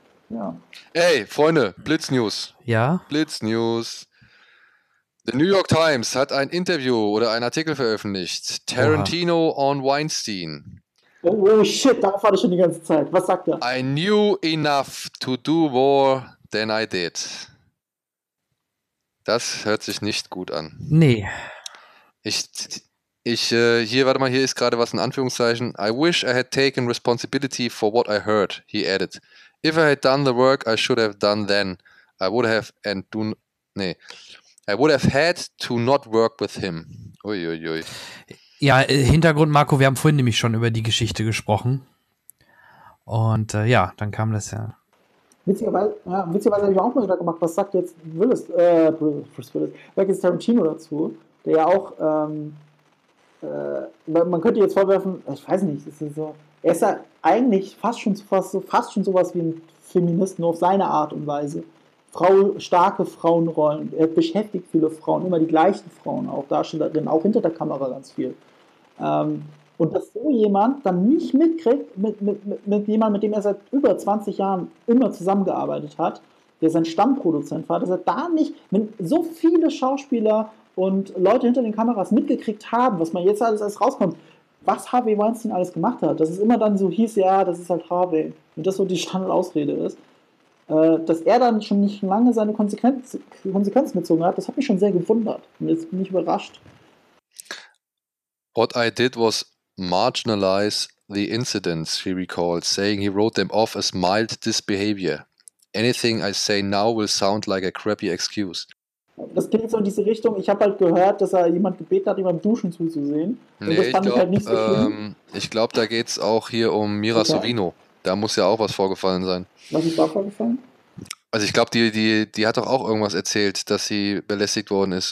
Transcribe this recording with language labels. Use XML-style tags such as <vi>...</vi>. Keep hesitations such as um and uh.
<de>ja. Ey, Freunde, Blitz News. Ja? Blitz News. The New York Times hat ein Interview oder einen Artikel veröffentlicht.</de> <en>Tarantino on Weinstein.</en> <de>Oh, oh shit, darauf warte ich schon die ganze Zeit. Was sagt er?</de> <en>I knew enough to do more than I did.</en> <de>Das hört sich nicht gut an. Nee. Ich, ich, äh, hier, warte mal, hier ist gerade was in Anführungszeichen.</de> <en>I wish I had taken responsibility for what I heard, he added. If I had done the work I should have done then, I would have and do, nee. I would have had to not work with him.</en> <de>Uiuiui. Ja, äh, Hintergrund, Marco, wir haben vorhin nämlich schon über die Geschichte gesprochen. Und äh, ja, dann kam das ja. Witzigerweise, ja, witzigerweise habe ich mir auch mal Gedanken gemacht, was sagt jetzt Willis, äh, Bruce Willis, sagt jetzt Tarantino dazu, der ja auch, ähm, äh, man man könnte jetzt vorwerfen, ich weiß nicht, es ist so, er ist ja eigentlich fast schon, fast, so- fast schon sowas wie ein Feminist, nur auf seine Art und Weise. Frau, starke Frauenrollen, er beschäftigt viele Frauen, immer die gleichen Frauen, auch Darstellerinnen, auch hinter der Kamera ganz viel. Ähm, und dass so jemand dann nicht mitkriegt, mit, mit, mit, mit jemandem, mit dem er seit über 20 Jahren immer zusammengearbeitet hat, der sein Stammproduzent war, dass er da nicht, wenn so viele Schauspieler und Leute hinter den Kameras mitgekriegt haben, was man jetzt alles als rauskommt, was Harvey Weinstein alles gemacht hat, dass es immer dann so hieß, ja, das ist halt Harvey und das so die Standardausrede ist, äh, dass er dann schon nicht lange seine Konsequenz, Konsequenzen gezogen hat, das hat mich schon sehr gewundert und jetzt bin ich überrascht.</de> <en>What I did was marginalize the incidents, he recalled, saying he wrote them off as mild disbehavior. Anything I say now will sound like a crappy excuse.</en> <de>Das klingt so in diese Richtung. Ich habe halt gehört, dass er jemand gebeten hat, ihm beim Duschen zuzusehen. Und das Nee, ich fand ich, glaube, halt nicht so schlimm. ähm, ich glaub, da geht es auch hier um Mira Okay. Sorvino. Da muss ja auch was vorgefallen sein. Was ist da vorgefallen? Also ich glaube, die, die, die hat doch auch irgendwas erzählt, dass sie belästigt worden ist.</de>